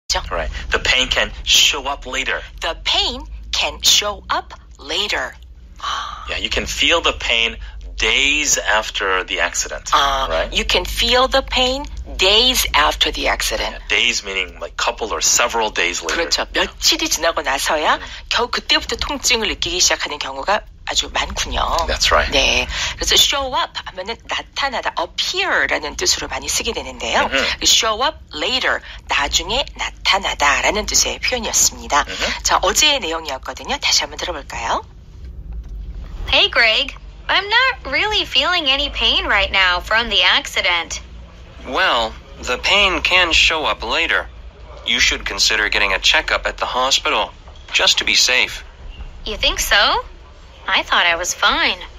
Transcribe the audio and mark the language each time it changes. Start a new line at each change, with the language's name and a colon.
English: Right. The pain can show up later. The pain can show up later. Yeah, you can feel the pain days after the accident, right? You can feel the pain days after the accident. Yeah, days meaning like couple or several days later.
Korean: 그렇죠. 며칠이 지나고 나서야 겨우 그때부터 통증을 느끼기 시작하는 경우가 아주 많군요.
English: That's right.
Korean: 네. 그래서 show up 하면은 나타나다, appear라는 뜻으로 많이 쓰게 되는데요. Mm-hmm.
English: Show up later,
Korean: 나중에 나타나다라는 뜻의 표현이었습니다. Mm-hmm. 자, 어제의 내용이었거든요. 다시 한번 들어볼까요?
English: Hey, Greg. I'm not really feeling any pain right now from the accident. Well, the pain can show up later. You should consider getting a checkup at the hospital, just to be safe. You think so? I thought I was fine.